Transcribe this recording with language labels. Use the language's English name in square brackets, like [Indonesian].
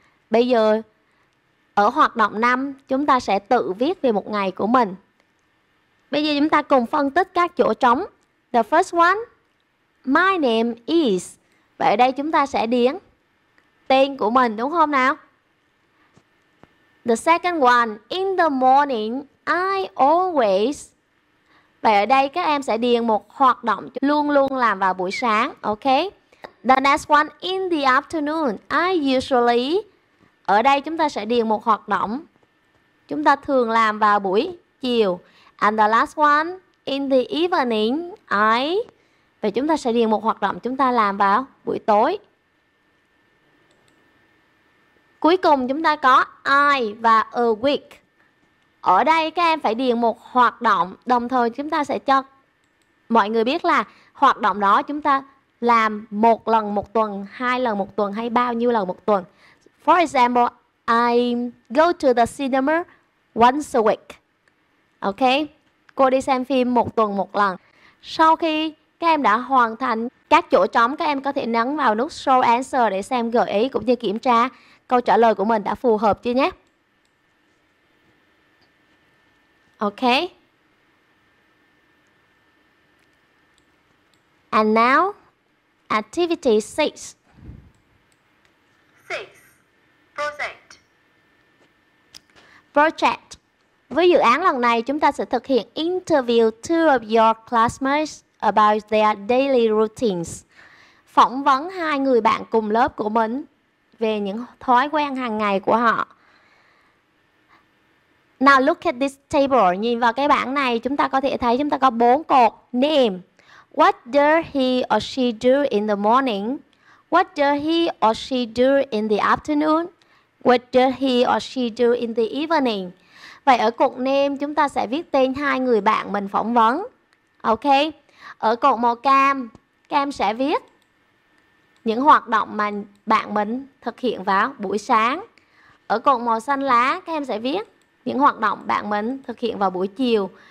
[Vietnamese] Bây giờ, ở hoạt động 5, chúng ta sẽ tự viết về một ngày của mình. Bây giờ chúng ta cùng phân tích các chỗ trống. [English] The first one, my name is. [Vietnamese] Vậy ở đây chúng ta sẽ điền tên của mình, đúng không nào? [English] The second one, in the morning, I always. [Vietnamese] Vậy ở đây các em sẽ điền một hoạt động luôn luôn làm vào buổi sáng, ok? [English] The next one, in the afternoon, I usually. [Vietnamese] Ở đây chúng ta sẽ điền một hoạt động chúng ta thường làm vào buổi chiều. [English] And the last one, in the evening, I. [Vietnamese] Vậy chúng ta sẽ điền một hoạt động chúng ta làm vào buổi tối. Cuối cùng chúng ta có I và a week. Ở đây các em phải điền một hoạt động, đồng thời chúng ta sẽ cho mọi người biết là hoạt động đó chúng ta làm một lần một tuần, hai lần một tuần hay bao nhiêu lần một tuần. [English] For example, I go to the cinema once a week. [Vietnamese] Ok, cô đi xem phim một tuần một lần. Sau khi các em đã hoàn thành các chỗ trống, các em có thể nhấn vào nút show answer để xem gợi ý cũng như kiểm tra câu trả lời của mình đã phù hợp chưa nhé. [English] Ok. And now, activity 6. 6. Project. Project. [Vietnamese] Với dự án lần này, chúng ta sẽ thực hiện [English] interview two of your classmates about their daily routines. [Vietnamese] Phỏng vấn hai người bạn cùng lớp của mình về những thói quen hàng ngày của họ. [English] Now look at this table. [Vietnamese] Nhìn vào cái bảng này, chúng ta có thể thấy chúng ta có bốn cột. [English] Name. What does he or she do in the morning? What does he or she do in the afternoon? What does he or she do in the evening? [Vietnamese] Vậy ở cột name, chúng ta sẽ viết tên hai người bạn mình phỏng vấn. Ok. Ở cột màu cam, cam sẽ viết những hoạt động mà bạn mình thực hiện vào buổi sáng. Ở cột màu xanh lá, các em sẽ viết những hoạt động bạn mình thực hiện vào buổi chiều.